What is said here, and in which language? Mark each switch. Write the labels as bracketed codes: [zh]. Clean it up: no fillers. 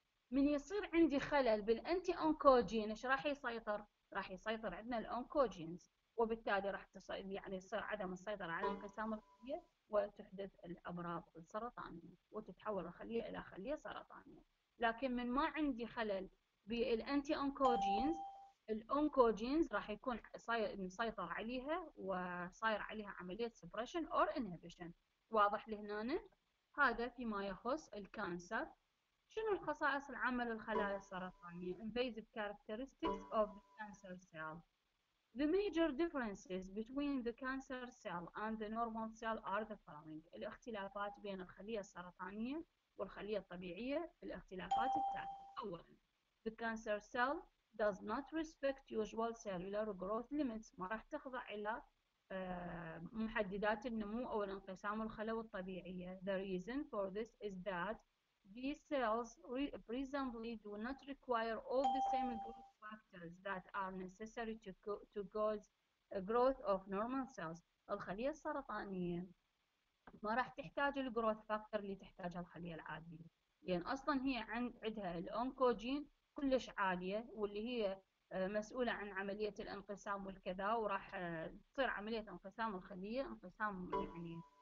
[ar] من يصير عندي خلل بالانتي اونكوجين ايش راح يسيطر؟ راح يسيطر عندنا الانكوجينز وبالتالي راح يعني يصير عدم السيطره على انقسام الخليه وتحدث الامراض السرطانيه وتتحول الخليه الى خليه سرطانيه. لكن من ما عندي خلل بالانتي اونكوجينز الأونكوجينز راح يكون مسيطر عليها وصاير عليها عملية [en] suppression or inhibition. [ar] واضح لهنا؟ هذا فيما يخص الكانسر. شنو الخصائص العامة للخلايا السرطانية؟ [en] invasive characteristics of the cancer cell. The major differences between the cancer cell and the normal cell are the following. [ar] الاختلافات بين الخلية السرطانية والخلية الطبيعية الاختلافات التالية. [en] أولا the cancer cell does not respect usual cellular growth limits. [ar] ما راح تخضع إلى محددات النمو أو الانقسام الخلوي الطبيعية. [en] The reason for this is that these cells presumably do not require all the same growth factors that are necessary to cause growth of normal cells. [ar] الخلية السرطانية ما راح تحتاج الgrowth factor اللي تحتاجها الخلية العادية. لأن أصلاً هي عندها الأونكوجين كلش عالية واللي هي مسؤولة عن عملية الانقسام والكذا وراح تصير عملية انقسام الخلية انقسام يعني